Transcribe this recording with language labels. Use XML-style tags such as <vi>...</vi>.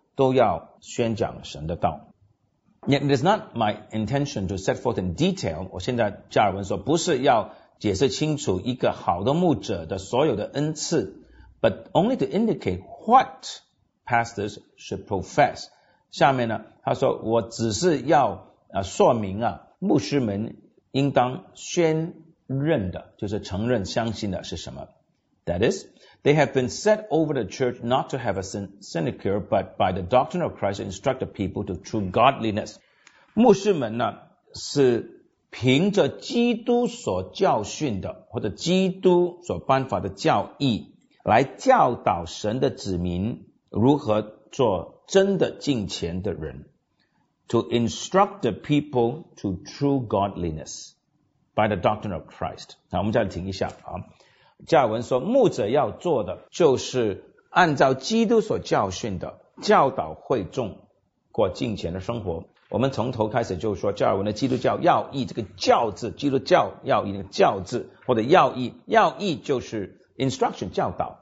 <zh>都要宣讲神的道。</zh> <en>Yet it is not my intention to set forth in detail,</en> <zh>我现在加尔文说不是要解释清楚一个好的牧者的所有的恩赐</zh> <en>but only to indicate what pastors should profess.</en> <zh>下面呢他说我只是要说明啊牧师们应当宣认的就是承认相信的是什么。</zh> <en>That is, they have been set over the church not to have a sinecure, but by the doctrine of Christ to instruct the people to true godliness.</en> <zh>牧师们呢是凭着基督所教训的或者基督所颁发的教义来教导神的子民如何做真的敬虔的人。</zh> <en>To instruct the people to true godliness by the doctrine of Christ.</en> <zh>好我们再停一下。加尔文说牧者要做的就是按照基督所教训的教导会众过敬虔的生活。我们从头开始就说加尔文的基督教要义这个教字基督教要义的教字或者要义要义就是 instruction, 教导。</zh>